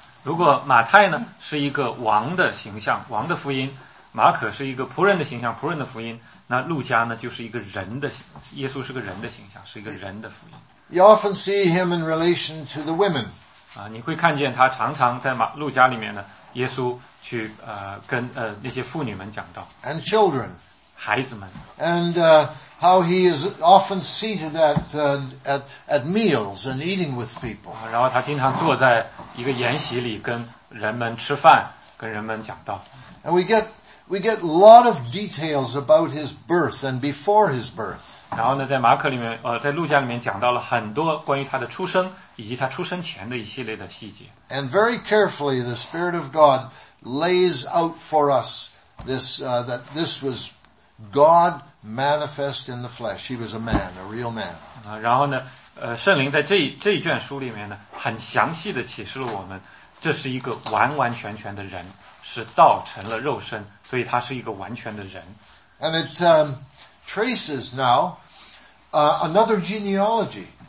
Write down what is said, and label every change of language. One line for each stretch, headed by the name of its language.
Chinese: 如果马太呢是一个王的形象，王的福音；马可是一个仆人的形象，仆人的福音；那路加呢就是一个人的，耶稣是个人的形象，是一个人的福音。
English: You often see him in relation to the women.
Chinese: 你会看见他常常在路加里面呢，耶稣去那些妇女们讲道。
English: And children.
Chinese: 孩子们。
English: And how he is often seated at meals and eating with people.
Chinese: 然后他经常坐在一个筵席里跟人们吃饭，跟人们讲道。
English: And we get a lot of details about his birth and before his birth.
Chinese: 然后呢，在马可里面，在路加里面讲到了很多关于他的出生以及他出生前的一系列的细节。
English: And very carefully, the Spirit of God lays out for us this that this was God manifest in the flesh. He was a man, a real man.
Chinese: 然后呢，圣灵在这一卷书里面呢，很详细的启示了我们，这是一个完完全全的人，是道成了肉身，所以他是一个完全的人。
English: And it traces now another genealogy.